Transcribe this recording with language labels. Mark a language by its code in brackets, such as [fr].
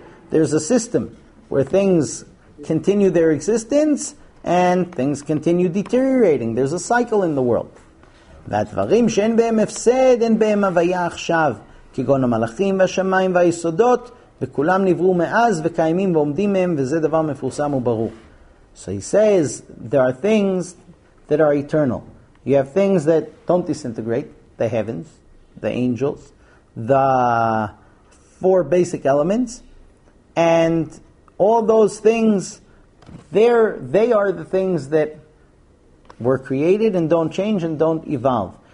[en] There's a system where things continue their existence and things continue deteriorating. There's a cycle in the world. [he] והדברים שאין בהם הפסד, אין בהם הוויה עכשיו, כגון המלאכים והשמיים והיסודות, וכולם נבראו מאז וקיימים ועומדים מהם, וזה דבר מפורסם וברור. [en] So he says, there are things that are eternal. You have things that don't disintegrate, the heavens, the angels, the four basic elements, and all those things, they are the things that were created and don't change and don't evolve.